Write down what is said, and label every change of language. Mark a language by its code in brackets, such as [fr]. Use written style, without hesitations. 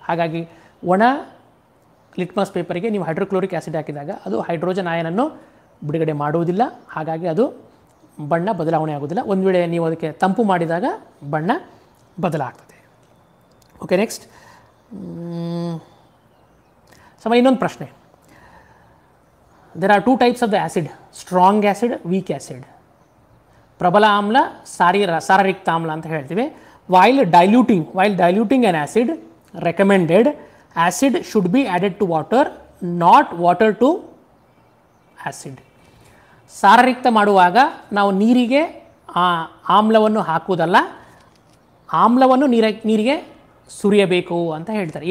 [kn] ಹಾಗಾಗಿ ಒಣ ಲಿಟ್ಮಸ್ ಪೇಪರ್ಗೆ ನೀವು ಹೈಡ್ರೋಕ್ಲೋರಿಕ್ ಆ್ಯಸಿಡ್ ಹಾಕಿದಾಗ ಅದು ಹೈಡ್ರೋಜನ್ ಅಯಾನನ್ನು ಬಿಡುಗಡೆ ಮಾಡುವುದಿಲ್ಲ, ಹಾಗಾಗಿ ಅದು ಬಣ್ಣ ಬದಲಾವಣೆ ಆಗುವುದಿಲ್ಲ. ಒಂದು ವೇಳೆ ನೀವು ಅದಕ್ಕೆ ತಂಪು ಮಾಡಿದಾಗ ಬಣ್ಣ ಬದಲಾಗ್ತದೆ. ಓಕೆ, ನೆಕ್ಸ್ಟ್ ಸಮಯ ಇನ್ನೊಂದು ಪ್ರಶ್ನೆ. [en] There are two types of the acid, strong acid, weak acid. [kn] ಪ್ರಬಲ ಆಮ್ಲ ಸಾರರಿಕ್ತ ಆಮ್ಲ ಅಂತ ಹೇಳ್ತೀವಿ. [en] While diluting an acid recommended acid should be added to water not water to acid. [kn] ಸಾರರಿಕ್ತ ಮಾಡುವಾಗ ನಾವು ನೀರಿಗೆ ಆಮ್ಲವನ್ನು ಹಾಕುವುದಲ್ಲ, ಆಮ್ಲವನ್ನು ನೀರಿಗೆ ಸುರಿಯಬೇಕು ಅಂತ ಹೇಳ್ತಾರೆ.